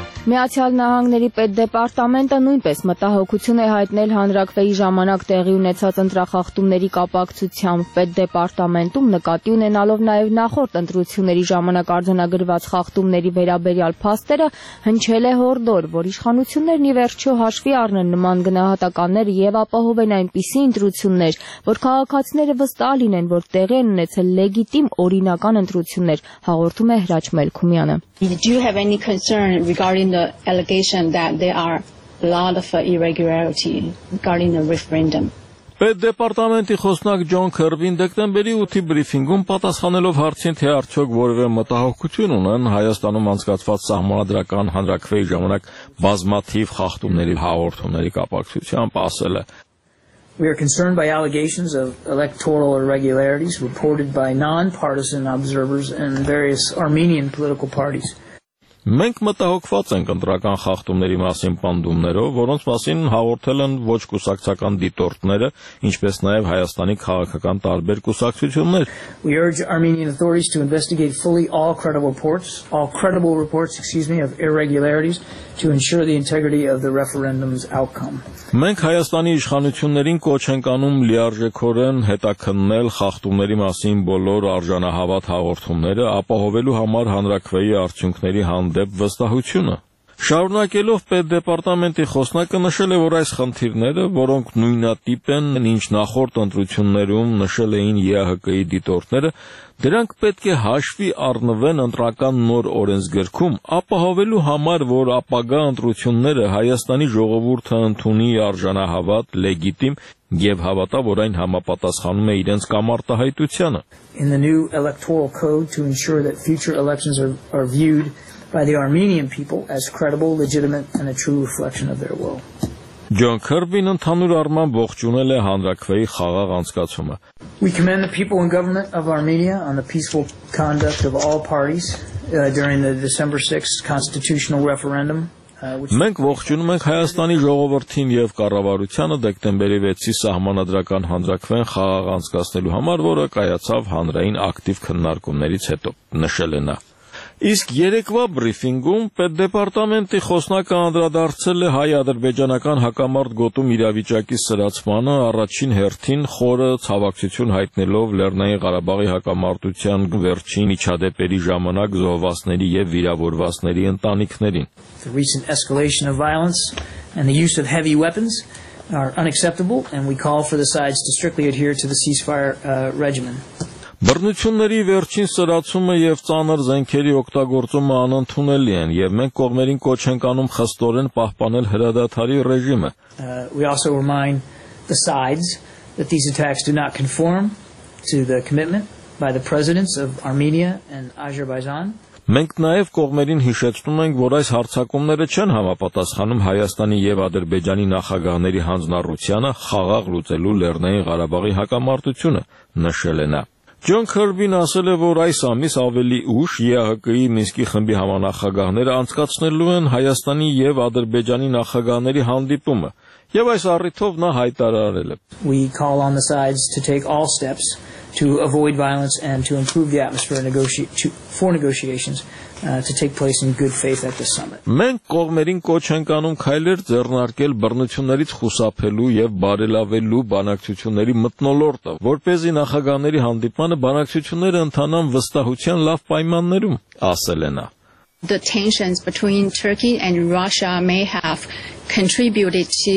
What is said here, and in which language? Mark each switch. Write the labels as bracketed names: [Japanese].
[Armenian] Միացյալ Նահանգների պետ դեպարտամենտը նույնպես մտահոգություն է հայտնել հանրակրվեի ժամանակ տեղի ունեցած ընտրախախտումների կապակցությամբ, պետ դեպարտամենտում նկատի ունենալով նաև նախորդ ընտրությունների ժամանակ արձանագրված խախտումների վերաբերյալ փաստերը, հնչել է հորդոր, որ իշխանություններն ի վերջո հաշվի առնեն նման գնահատականները և ապահովեն այնպիսի ընտրություններ, որ քաղաքացիները վստահ լինեն, որ տեղի են ունեցել լեգիտիմ օրինական ընտրություններ, հաղորդում է Հրաչ Մելքումյանը։ [English] Do you have any concern regarding the allegation that there are a lot of irregularity regarding the referendum? [Armenian] Պետ դեպարտամենտի խոսնակ Ջոն Քերբին դեկտեմբերի 8-ի բրիֆինգում պատասխանելով հարցին, թե արդյոք որևէ մտահոգություն ունեն Հայաստանում անցկացված սահմանադրական հանրակրվեի ժամանակ բազմաթիվ խախտումների հաղորդումների կապակցությամբ, ասել է. [English] We are concerned by allegations of electoral irregularities reported by non-partisan observers and various Armenian political parties. [Armenian] Մենք մտահոգված ենք ընտրական խախտումների մասին պանդումներով, որոնց մասին հաղորդել են ոչ կուսակցական դիտորդները, ինչպես նաև Հայաստանի քաղաքական տարբեր կուսակցություններ. [English] We urge Armenian authorities to investigate fully all credible reports, of irregularities to ensure the integrity of the referendum's outcome. [Armenian] Մենք Հայաստանի իշխանություններին կոչ ենք անում լիարժեքորեն հետաքննել խախտումների մասին բոլոր արժանահավատ հաղորդումները, ապահովելու համար հանրակրվեի արդյունքների դեպ վստահությունը։ Շարունակելով պետ դեպարտամենտի խոսնակը նշել է, որ այս խնդիրները, որոնք նույնատիպ են, ինչ նախորդ ընտրություններում նշել էին ԵԱՀԿ-ի դիտորդները, դրանք պետք է հաշվի առնվեն ընտրական նոր օրենսգրքում, ապահովելու համար, որ ապագա ընտրությունները Հայաստանի ժողովուրդը ընդունի արժանահավատ, լեգիտիմ և հավատա, որ այն համապատասխանում է իրենց կամարտահայտությանը։ [English] In the new electoral code to ensure that future elections are viewed by the Armenian people as credible, legitimate and a true reflection of their will. [Armenian] Ջոն Քերբին ընդհանուր առմամբ ողջունել է հանրակրվեի խաղաղ անցկացումը։ [English] We commend the people and government of Armenia on the peaceful conduct of all parties during the December 6th constitutional referendum. [Armenian] Մենք ողջունում ենք Հայաստանի ժողովրդին և կառավարությանը դեկտեմբերի 6-ի սահմանադրական հանրակրվեն խաղաղ անցկացնելու համար, որը կայացավ հանրային ակտիվ քննարկումներից հետո, նշել է նա։ Իսկ երեկվա բրիֆինգում պետ դեպարտամենտի խոսնակը անդրադարձել է հայ-ադրբեջանական հակամարտ գոտում իրավիճակի սրացմանը առաջին հերթին, խորը ցավակցություն հայտնելով Լեռնային Ղարաբաղի հակամարտության վերջին միջադեպերի ժամանակ զոհվածների և վիրավորվածների ընտանիքներին. [English] The recent escalation of violence and the use of heavy weapons are unacceptable and we call for the sides to strictly adhere to the ceasefire regimen. [Armenian] Բռնությունների վերջին սրացումը և ծանր զենքերի օգտագործումը անընդունելի են, և մենք կողմերին կոչ ենք անում խստորեն պահպանել հրադադարի ռեժիմը։ [English] We also remind the sides that these attacks do not conform to the commitment by the presidents of Armenia and Azerbaijan. [Armenian] Մենք նաև կողմերին հիշեցնում ենք, որ այս հարցակումները չեն համապատասխանում Հայաստանի և Ադրբեջանի նախագահների հանձնառությանը խաղաղ լուծելու Լեռնային Ղարաբաղի հակամարտությունը, նշել է նա։ Ջոն Քերբին ասել է, որ այս ամիս ավելի ուշ ԵԱՀԿ-ի Մինսկի խմբի համանախագահները անցկացնելու են Հայաստանի և Ադրբեջանի նախագահների հանդիպումը, և այս առիթով նա հայտարարել է. [English] We call on the sides to take all steps to avoid violence and to improve the atmosphere for negotiations to take place in good faith at the summit. [Armenian] Մենք կողմերին կոչ ենք անում քայլեր ձեռնարկել բռնություններից խուսափելու և բարելավելու բանակցությունների մտնոլորտը, որպեսզի նախագահների հանդիպմանը բանակցությունները ընթանան վստահության լավ պայմաններում, ասել է նա. [English] The tensions between Turkey and Russia may have contributed